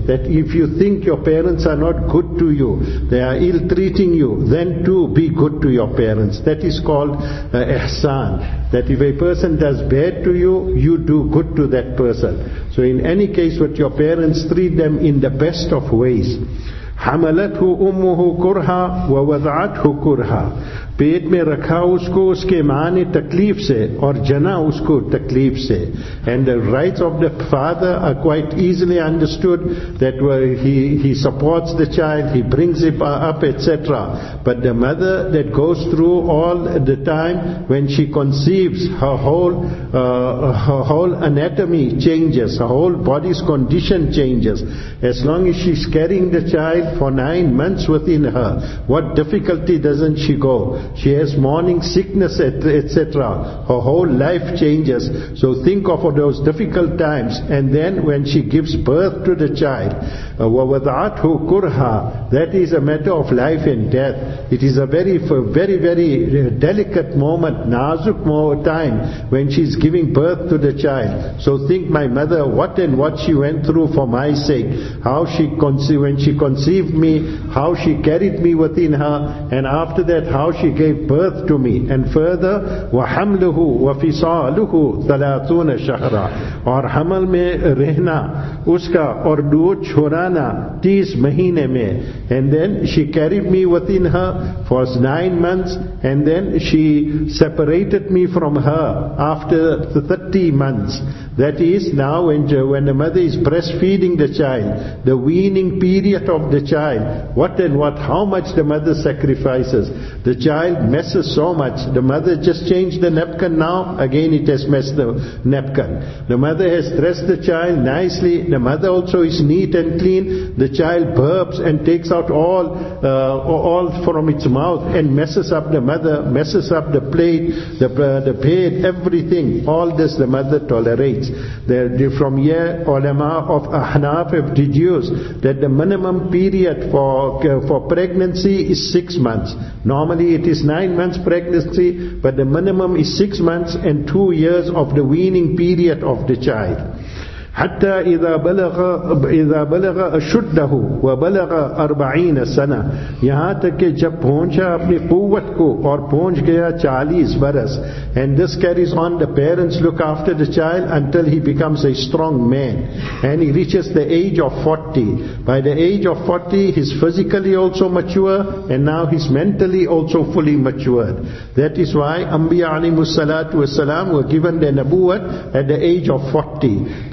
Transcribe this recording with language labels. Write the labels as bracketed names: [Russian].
[English] That if you think your parents are not good to you, they are ill-treating you, then too be good to your parents. That is called ihsan. That if a person does bad to you, you do good to that person. So in any case, with your parents, treat them in the best of ways. [Arabic] حَمَلَتْهُ أُمُّهُ كُرْهَا وَوَضَعَتْهُ كُرْهَا. [Urdu] پیٹ میں رکھا اس کو اس کے ماں نے تکلیف سے اور جنا اس کو تکلیف سے. [English] And the rights of the father are quite easily understood, that he supports the child, he brings it up, etc. But the mother that goes through all the time when she conceives, her whole anatomy changes, her whole body's condition changes. As long as she's carrying the child for 9 months within her, what difficulty doesn't she go? She has morning sickness, etc. Her whole life changes. So think of those difficult times. And then when she gives birth to the child, [Arabic] وَوَضَعَتْهُ كُرْهَا, [English] that is a matter of life and death. It is a very, very, very delicate moment, nazuk time, when she's giving birth to the child. So think, my mother, what and what she went through for my sake. How she when she conceived me, how she carried me within her, and after that, how she gave birth to me. And further, [Arabic] وَحَمْلُهُ وَفِصَالُهُ 30 شَهْرًا. [Urdu] اور حمل میں رہنا اس کا اور دودھ چھوڑانا 30 مہینے میں. [English] And then she carried me within her for 9 months, and then she separated me from her after 30 months. That is, now when the mother is breastfeeding the child, the weaning period of the child, what and what, how much the mother sacrifices. The child messes so much. The mother just changed the napkin now, again it has messed the napkin. The mother has dressed the child nicely, the mother also is neat and clean. The child burps and takes out all from its mouth and messes up the mother, messes up the plate, the bed, everything. All this the mother tolerates. There, from here, ulama of Ahnaf have deduced that the minimum period for pregnancy is 6 months. Normally it is 9 months pregnancy, but the minimum is 6 months and 2 years of the weaning period of the child. [Arabic] حتى اذا بلغ اشده وبلغ 40 سنه, [Urdu] یہاں تک کہ جب پہنچا اپنی قوت کو اور پہنچ گیا 40 برس. [English] And this carries on, the parents look after the child until he becomes a strong man and he reaches the age of 40. By the age of 40 he's physically also mature and now he's mentally also fully matured. That is why Anbiya alayhimus salatu wassalam were given their nabuwat at the age of 40.